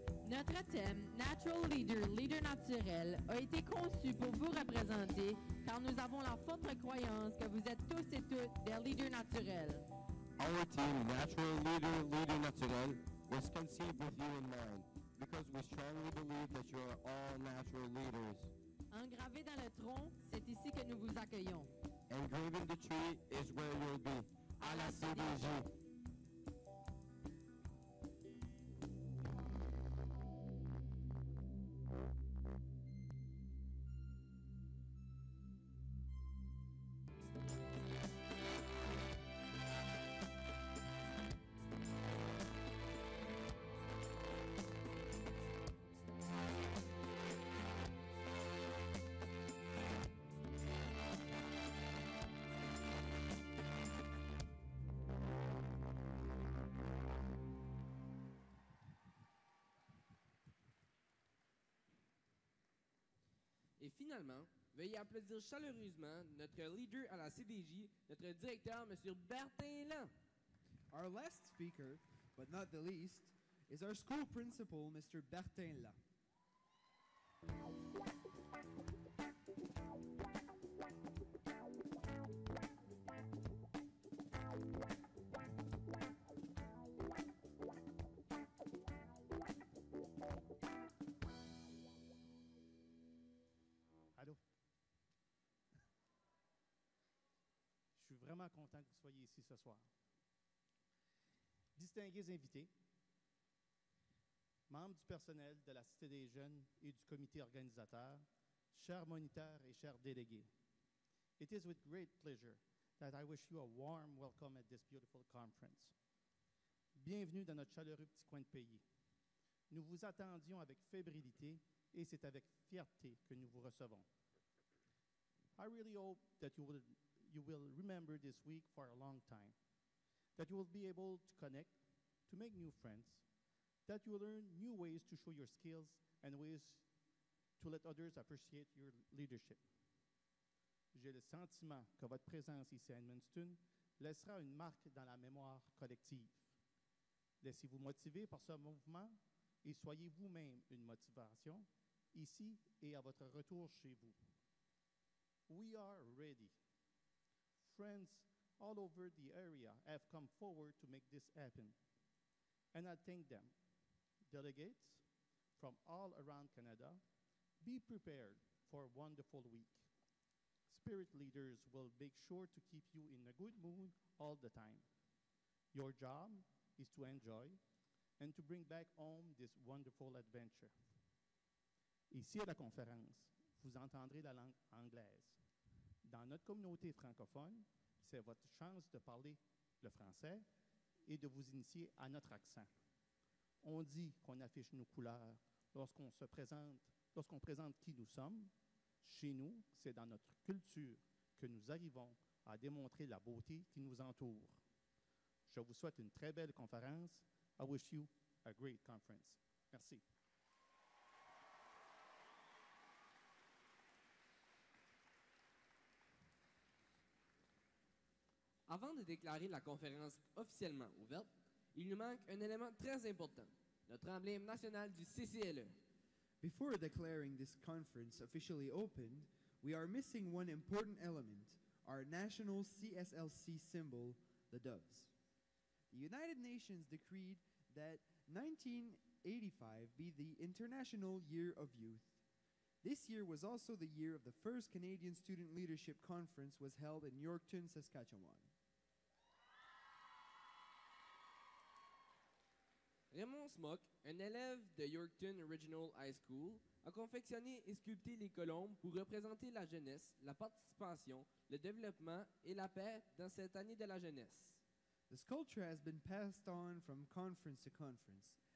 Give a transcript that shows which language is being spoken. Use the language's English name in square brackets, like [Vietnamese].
[French] Notre thème, Natural Leader, leader naturel, a été conçu pour vous représenter car nous avons la forte croyance que vous êtes tous et toutes des leaders naturels. [English] Our team, Natural Leader, leader naturel, was conceived with you in mind because we strongly believe that you are all natural leaders. [French] Engravé dans le tronc, c'est ici que nous vous accueillons. [English] Engraved in the tree is where you'll be, [French] à la CDG. Et finalement, veuillez applaudir chaleureusement notre leader à la CDJ, notre directeur, M. Bertin Lant. [English] Our last speaker, but not the least, is our school principal, Mr. Bertin Lant. [French] Je suis vraiment content que vous soyez ici ce soir. Distingués invités, membres du personnel de la Cité des jeunes et du comité organisateur, chers moniteurs et chers délégués, [English] it is with great pleasure that I wish you a warm welcome at this beautiful conference. [French] Bienvenue dans notre chaleureux petit coin de pays. Nous vous attendions avec fébrilité et c'est avec fierté que nous vous recevons. [English] I really hope that you will remember this week for a long time, that you will be able to connect, to make new friends, that you will learn new ways to show your skills and ways to let others appreciate your leadership. [French] J'ai le sentiment que votre présence ici à Edmundston laissera une marque dans la mémoire collective. Laissez-vous motiver par ce mouvement et soyez vous-même une motivation ici et à votre retour chez vous. [English] We are ready. Friends all over the area have come forward to make this happen. And I thank them. Delegates from all around Canada, be prepared for a wonderful week. Spirit leaders will make sure to keep you in a good mood all the time. Your job is to enjoy and to bring back home this wonderful adventure. [French] Ici à la conférence, vous entendrez la langue anglaise. Dans notre communauté francophone, c'est votre chance de parler le français et de vous initier à notre accent. On dit qu'on affiche nos couleurs lorsqu'on présente qui nous sommes. Chez nous, c'est dans notre culture que nous arrivons à démontrer la beauté qui nous entoure. Je vous souhaite une très belle conférence. [English] I wish you a great conference. [French] Merci. Avant de déclarer la conférence officiellement ouverte, il nous manque un élément très important, notre emblème national du CCLE. [English] Before declaring this conference officially opened, we are missing one important element, our national CSLC symbol, the doves. The United Nations decreed that 1985 be the International Year of Youth. This year was also the year of the first Canadian Student Leadership Conference was held in Yorkton, Saskatchewan. [French] Raymond Smock, un élève de Yorkton Regional High School, a confectionné et sculpté les colombes pour représenter la jeunesse, la participation, le développement et la paix dans cette année de la jeunesse. [English] The sculpture has been passed on from conference to conference.